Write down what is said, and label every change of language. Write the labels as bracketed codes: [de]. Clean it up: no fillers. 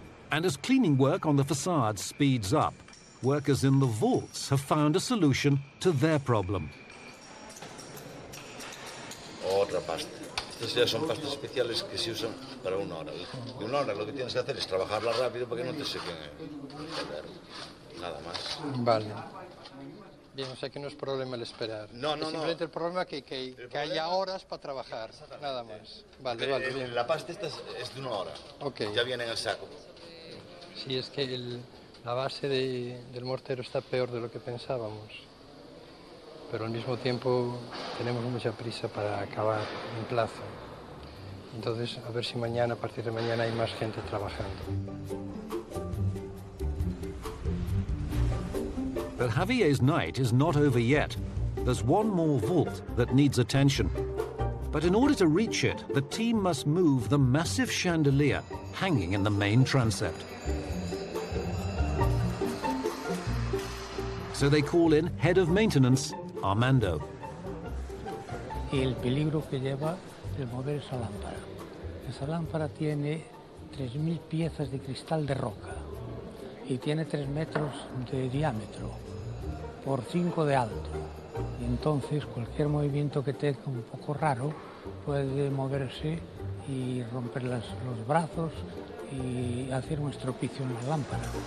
[en] And as cleaning work on the facade speeds up, workers in the vaults have found a solution to their problem. [es] Otra pasta. Estas ya son pastas especiales que se usan para una hora. Y una hora lo que tienes que hacer es trabajarla rápido para que no te seque. Nada más. Vale. Bien, o sea que no es problema el esperar. No. Simplemente el problema es que haya horas para trabajar. Nada más. Vale. Bien. La pasta esta es de una hora. Ok. Ya viene en el saco. Sí, es que la base del mortero está peor de lo que pensábamos. Pero al mismo tiempo tenemos mucha prisa para acabar en plazo. Entonces, a ver si mañana, a partir de mañana, hay más gente trabajando. [en] But Javier's night is not over yet. There's one more vault that needs attention. But in order to reach it, the team must move the massive chandelier hanging in the main transept. So they call in head of maintenance, Armando. [es] El peligro que lleva el mover esa lámpara. Esa lámpara tiene 3.000 piezas de cristal de roca y tiene 3 metros de diámetro por 5 de alto. Entonces, cualquier movimiento que tenga un poco raro puede moverse y romper los brazos y hacer un estropicio en la lámpara.